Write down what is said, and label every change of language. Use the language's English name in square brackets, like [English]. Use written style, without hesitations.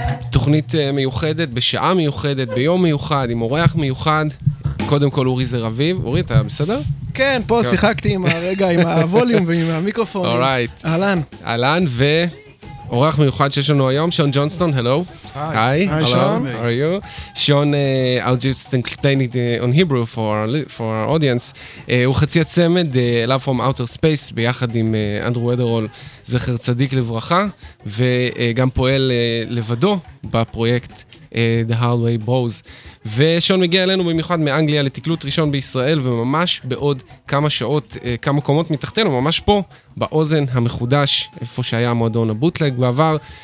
[Hebrew] תוכנית מיוחדת, בשעה מיוחדת, ביום מיוחד, עם אורח מיוחד. קודם כל אורי זה רביב. אורי, אתה בסדר? כן, פה שיחקתי עם הרגע, עם הווליום ועם המיקרופון. [English] אורייט. [Hebrew] אלן. אלן, ו... אורח מיוחד שיש לנו היום, שון ג'ונסטון, הלו. היי, [English] שון. How are you? שון, I'll just explain it on Hebrew for our audience. [Hebrew] הוא חצי הצמד, Love from Outer Space, ביחד עם אנדרו אדרול, זכר צדיק לברכה, וגם פועל לבדו בפרויקט The Hardway Bros. ושון מגיע אלינו במיוחד מאנגליה לתקלוט ראשון בישראל, וממש בעוד כמה שעות, כמה קומות מתחתנו, ממש פה, באוזן המחודש, איפה שהיה המועדון הבוטלג בעבר.